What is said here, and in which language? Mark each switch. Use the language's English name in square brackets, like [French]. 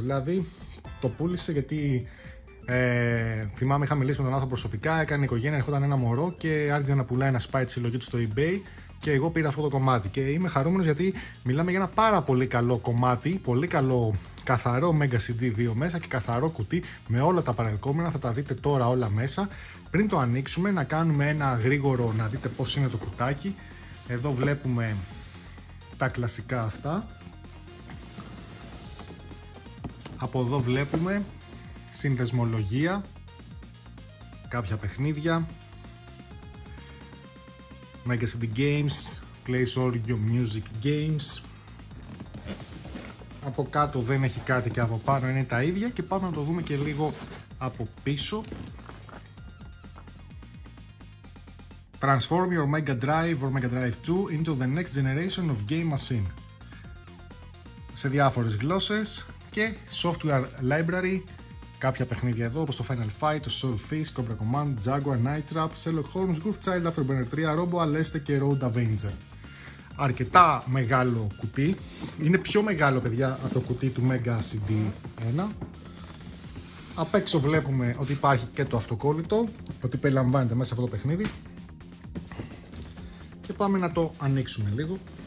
[Greek] Δηλαδή το πούλησε γιατί... θυμάμαι είχα μιλήσει με τον άνθρωπο προσωπικά, έκανε οικογένεια, ερχόταν ένα μωρό και άρχισε να πουλάει ένα σπάι τη συλλογή του στο eBay και εγώ πήρα αυτό το κομμάτι και είμαι χαρούμενος γιατί μιλάμε για ένα πάρα πολύ καλό κομμάτι, πολύ καλό καθαρό Mega CD 2 μέσα και καθαρό κουτί με όλα τα παρελκόμενα, θα τα δείτε τώρα όλα μέσα. Πριν το ανοίξουμε να κάνουμε ένα γρήγορο να δείτε πώς είναι το κουτάκι. Εδώ βλέπουμε τα κλασικά αυτά. Από εδώ βλέπουμε συνδεσμολογία, κάποια παιχνίδια, Mega CD Games, Plays All Your Music Games. Από κάτω δεν έχει κάτι και από πάνω είναι τα ίδια και πάμε να το δούμε και λίγο από πίσω. [English] Transform your Mega Drive or Mega Drive 2 into the next generation of game machine. [Greek] Σε διάφορες γλώσσες και software library. Κάποια παιχνίδια εδώ, όπως το Final Fight, το Soul Fist, Cobra Command, Jaguar, Night Trap, Sherlock Holmes, Goof Child, Afterburner 3, Robo Aleste και Road Avenger. Αρκετά μεγάλο κουτί. Είναι πιο μεγάλο, παιδιά, από το κουτί του Mega CD 1. Απ' έξω βλέπουμε ότι υπάρχει και το αυτοκόλλητο, ότι περιλαμβάνεται μέσα αυτό το παιχνίδι. Και πάμε να το ανοίξουμε λίγο.